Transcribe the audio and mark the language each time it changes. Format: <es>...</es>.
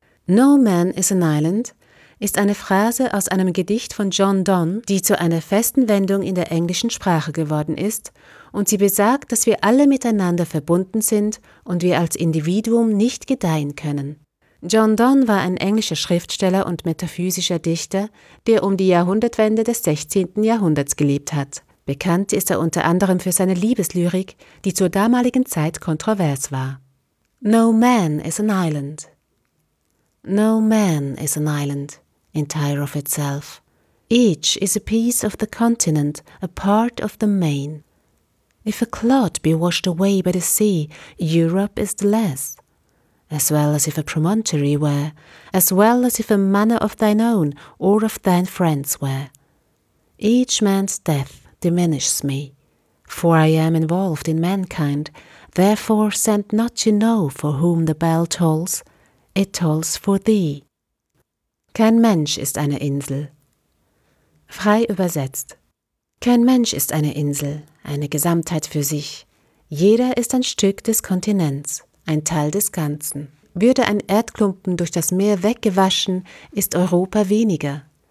<en>No man is an island</en> <de>ist eine Phrase aus einem Gedicht von John Donne, die zu einer festen Wendung in der englischen Sprache geworden ist, und sie besagt, dass wir alle miteinander verbunden sind und wir als Individuum nicht gedeihen können. John Donne war ein englischer Schriftsteller und metaphysischer Dichter, der um die Jahrhundertwende des 16. Jahrhunderts gelebt hat. Bekannt ist er unter anderem für seine Liebeslyrik, die zur damaligen Zeit kontrovers war.</de> <en>No man is an island. No man is an island, entire of itself. Each is a piece of the continent, a part of the main. If a clod be washed away by the sea, Europe is the less. As well as if a promontory were, as well as if a manor of thine own or of thine friends were. Each man's death diminishes me, for I am involved in mankind, therefore send not to know for whom the bell tolls, it tolls for thee.</en> <de>Kein Mensch ist eine Insel. Frei übersetzt. Kein Mensch ist eine Insel, eine Gesamtheit für sich. Jeder ist ein Stück des Kontinents. Ein Teil des Ganzen. Würde ein Erdklumpen durch das Meer weggewaschen, ist Europa weniger.</de>